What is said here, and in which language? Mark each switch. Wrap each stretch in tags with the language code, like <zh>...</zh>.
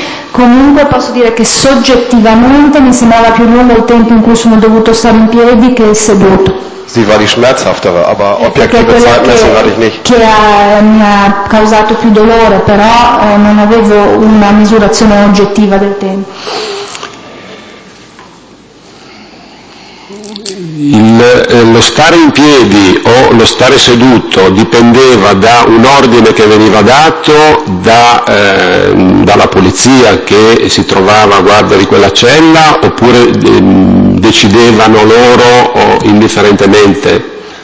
<it>Comunque posso dire che soggettivamente mi sembrava più lungo il tempo in cui sono dovuto stare in piedi che seduto.</it> <de>Sie war die schmerzhaftere, aber objektive Zeitmessung hatte ich nicht.</de> <it>Che mi ha causato più dolore, però non avevo una misurazione oggettiva del tempo. Lo stare in piedi o lo stare seduto dipendeva da un ordine che veniva dato dalla polizia che si trovava a guardia di quella cella, oppure decidevano loro o indifferentemente?</it>